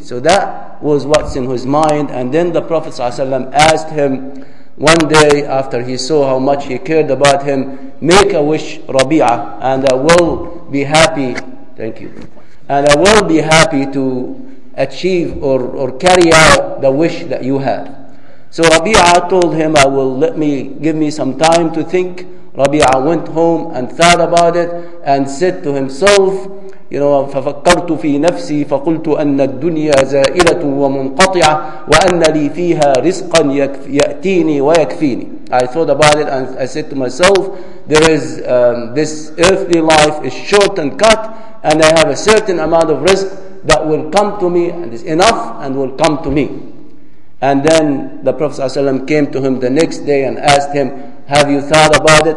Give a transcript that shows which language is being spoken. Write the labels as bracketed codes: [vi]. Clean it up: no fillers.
[en] So that was what's in his mind. And then the Prophet ﷺ asked him one day, after he saw how much he cared about him, make a wish, Rabi'ah, and I will be happy. Thank you. And I will be happy to achieve or carry out the wish that you have. So Rabi'ah told him, I will, let me, give me some time to think. Rabi'ah went home and thought about it and said to himself, you know, [ar] ففكرت في نفسي فقلت أن الدنيا زائلة ومنقطعة وأن لي فيها رزقا يأتيني ويكفيني. [en] I thought about it and I said to myself, there is this earthly life is short and cut, and I have a certain amount of risk that will come to me and is enough and will come to me. And then the Prophet ﷺ came to him the next day and asked him, have you thought about it?